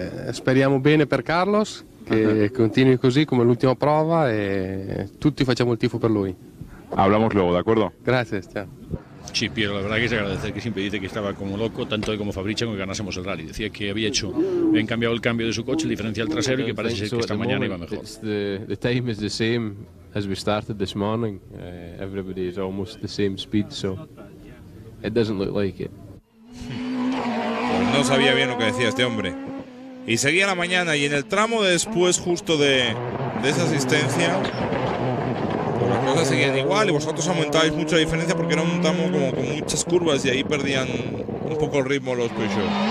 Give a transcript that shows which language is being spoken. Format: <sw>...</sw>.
<it>Speriamo bene per Carlos, che continui così come l'ultima prova e tutti facciamo il tifo per lui.</it> <es>Hablamos luego, ¿de acuerdo? Gracias, ciao. Sí, Piero, la verdad que es agradecer que siempre dice que estaba como loco, tanto como Fabricio, como que ganásemos el rally. Decía que había hecho, habían cambiado el cambio de su coche, el diferencial trasero, y que parece ser que esta mañana iba mejor.</es> <en>The time is the same as we started this morning. Everybody is almost the same speed, so it doesn't look like it.</en> <es>Pues no sabía bien lo que decía este hombre. Y seguía la mañana, y en el tramo de después, justo de esa asistencia, las cosas seguían igual y vosotros aumentabais mucho la diferencia porque era un tramo como con muchas curvas y ahí perdían un poco el ritmo los Peugeot.</es>